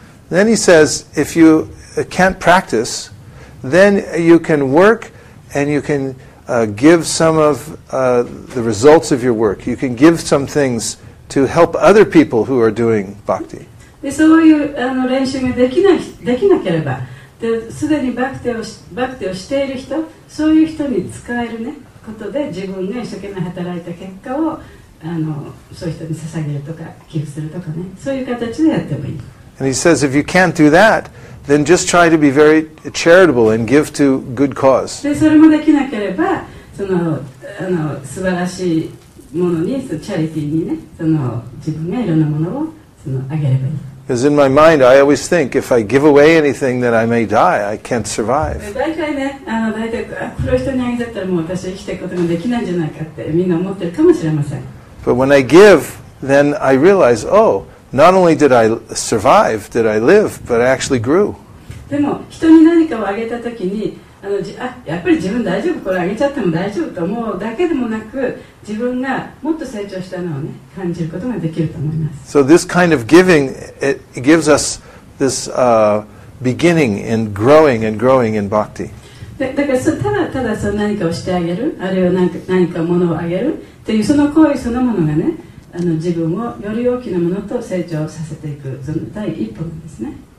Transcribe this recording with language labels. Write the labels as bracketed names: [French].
[English] Then he says, if you can't practice, then you can work and you can give some of the results of your work. You can give some things to help other people who are doing bhakti. [Japanese] でそういうあの練習が できなければで既にバクテをしている人そういう人に使える、ね、ことで自分が一生懸命働いた結果をあのそういう人に捧げるとか寄付するとかねそういう形でやってもいい。 [English] And he says if you can't do thatThen just try to be very charitable and give to good cause. [Japanese] で、それもできなければ、あの素晴らしいものに、そのチャリティーにね、その自分がいろんなものをそのあげればいい。 [English] Because in my mind, I always think if I give away anything, then I may die. I can't survive. [Japanese] で、大体ね、あの大体この人にあげちゃったらもう私は生きていくことができないんじゃないかってみんな思ってるかもしれません。 [English] But when I give, then I realize, oh. Not only did I survive, did I live, but I actually grew. [Japanese] でも人に何かをあげたときにやっぱり自分大丈夫これあげちゃっても大丈夫と思うだけでもなく自分がもっと成長したのを、ね、感じることができると思います。 [English] So this kind of giving, it gives us this beginning in growing and growing in bhakti. [Japanese] だからただその何かをしてあげるあるいは何かものをあげるというその行為そのものがねあの自分をより大きなものと成長させていくその第一歩ですね。